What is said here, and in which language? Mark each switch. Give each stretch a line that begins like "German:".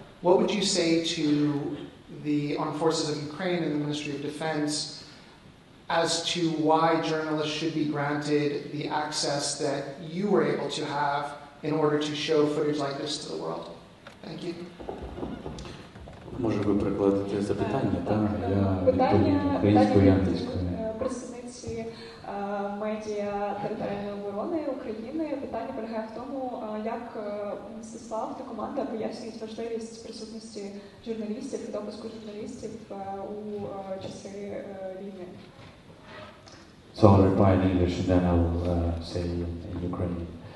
English: What would you say to the armed forces of Ukraine and the Ministry of Defense as to why journalists should be granted the access that you were able to have in order to show footage like this to the world? Thank you.
Ukrainian: Може ви перекладати запитання, так? Питання української англійської представниці медіа територіальної оборони України. Питання полягає в тому, як Мстислав та команда пояснюють важливість присутності журналістів і допуску журналістів у часи війни.
English: So I'll reply in English and then I will say in Ukrainian.